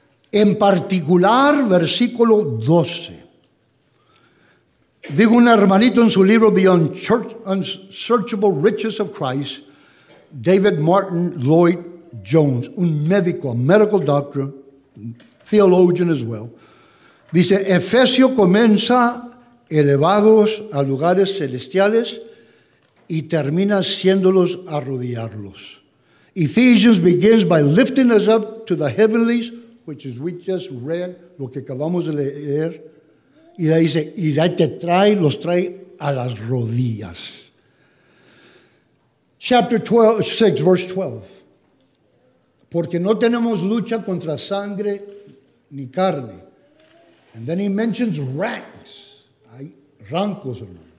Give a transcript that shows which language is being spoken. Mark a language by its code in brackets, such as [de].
[es] En particular, versículo 12. Dijo un hermanito en su libro, The Unsearchable Riches of Christ, David Martin Lloyd Jones, un médico, [en] a medical doctor, theologian as well. [es] Dice, Efesio comienza elevados a lugares celestiales y termina haciéndolos arrodillarlos. [en] Ephesians begins by lifting us up to the heavenlies, which is we just read, [es] lo que acabamos de leer. Y ahí dice, y ahí te trae, los trae a las rodillas. [en] Chapter 6, verse 12. [es] Porque no tenemos lucha contra sangre ni carne. [en] And then he mentions ranks. [es] Hay rancos, hermano.